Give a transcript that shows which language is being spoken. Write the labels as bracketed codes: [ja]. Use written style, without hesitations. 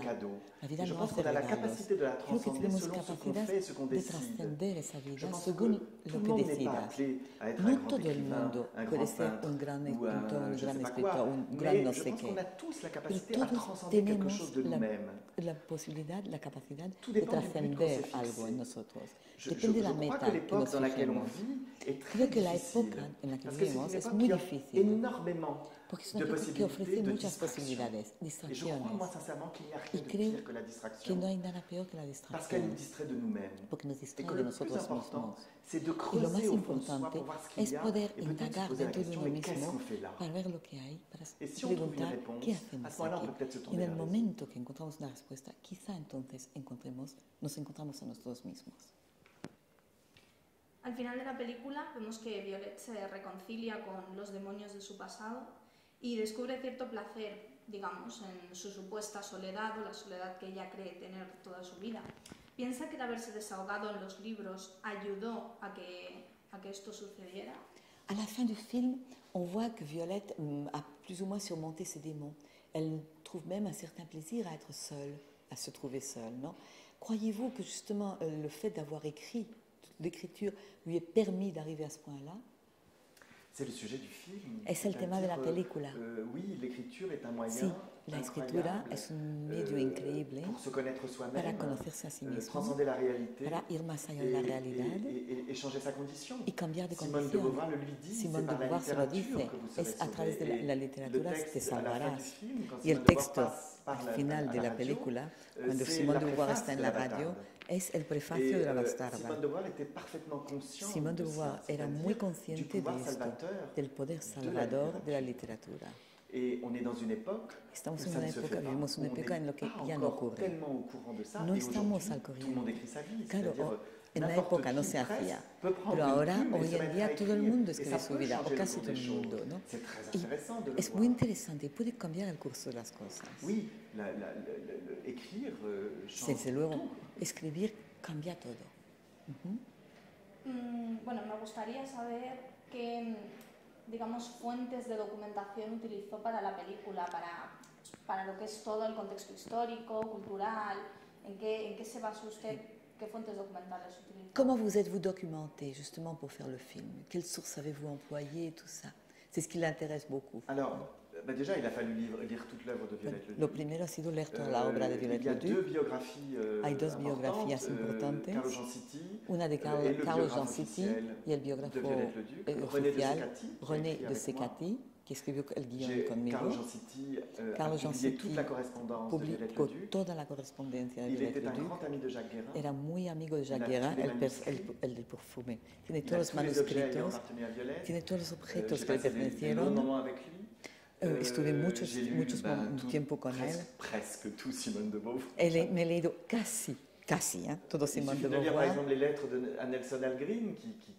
[fr] De cadeaux. [es] La vida [fr] je no pense qu'on a la capacité de la transcender selon ce qu'on fait et ce qu'on décide. Je pense que tout le monde n'est pas appelé à être un grand écrivain, un grand peintre, ou un grand [es] escritor, [fr] un grand [es] no sé qué. [fr] Mais je pense qu'on a tous la capacité à transcender quelque chose de nous-mêmes. [es] La posibilidad, la capacidad de trascender algo en nosotros. Depende de la meta que nos fijamos. Creo que la época en la que vivimos es muy difícil. Porque es una época que ofrece muchas posibilidades, distracciones. Y creo que no hay nada peor que la distracción. Porque nos distrae de nosotros mismos. Y lo más importante es poder indagar dentro de uno mismo para ver lo que hay, para preguntar qué hacemos aquí. Y en el momento que encontramos una respuesta, quizá entonces nos encontramos a nosotros mismos. Al final de la película vemos que Violet se reconcilia con los demonios de su pasado y descubre cierto placer, digamos, en su supuesta soledad o la soledad que ella cree tener toda su vida. ¿Piensa que el haberse desahogado en los libros ayudó a que esto sucediera? [fr] A la fin del film, on voit que Violet a plus ou moins surmonté ses démons. Elle trouve même un certain plaisir à être seule, à se trouver seule, non? Croyez-vous que justement le fait d'avoir écrit l'écriture lui est permis d'arriver à ce point-là? C'est le sujet du film. Et c'est le thème de la película. Oui, l'écriture est un moyen. [es] Si, la escritura es un medio increíble [fr] pour se connaître soi-même, [es] para conocerse a sí mismo, [fr] transcender la réalité, [es] para ir más allá de la realidad, [fr] et changer sa condition. [es] Y cambiar de condición. [fr] Simone de Beauvoir le lui dit, Simone c'est par la littérature que vous serez à travers de la littérature que [es] te salvarás. Y el texto al final de la película, cuando Simone de Beauvoir está en la radio, es el prefacio de la Bastarda. Simone de Beauvoir era muy consciente de esto, del poder salvador de la literatura. [fr] Et on est dans une époque [es] estamos en una época, vivimos una época en la que ya no ocurre. No estamos al corriente. Claro, en la época no se hacía. Pero ahora, hoy en día, todo el mundo escribe su vida, o casi todo el mundo. ¿No? Y es muy interesante, puede cambiar el curso de las cosas. [fr] Oui, écrire change. [es] Desde luego, escribir cambia todo. Bueno, me gustaría saber qué, digamos, fuentes de documentación utilizó para la película, para lo que es todo el contexto histórico, cultural, en qué se basa usted, qué fuentes documentales utilizó. [fr] ¿Cómo vous êtes-vous documenté justement pour faire le film? ¿Quelles sources avez-vous employé et tout ça? C'est ce qui l'intéresse beaucoup. Alors, bah déjà, il a fallu lire toute l'œuvre de Violette Leduc. [es] Lo primero ha sido leer toda la obra de Violette Leduc. [fr] Il y a deux biographies [es] hay dos biografías importantes. Carlo Giansitti. Una de Carlo Giansitti y el biógrafo de Violette Leduc, René de Secati, qui escribió el guion conmigo. Carlo Giansitti publicó toda la correspondencia de Violette Leduc. [fr] Il était un grand ami de Jacques Guérin. [es] Era muy amigo de Jacques Guérin, el de perfume. Tiene [fr] il [es] todos los manuscritos, [fr] les [es] tiene todos los objetos que le pertenecieron. Estuve mucho tiempo con él. [fr] Presque tout Simone de Beauvoir. [es] Me he leído casi, todo Simone de Beauvoir. [fr] Il suffit de lire, par exemple, les lettres de Nelson Algren, qui sont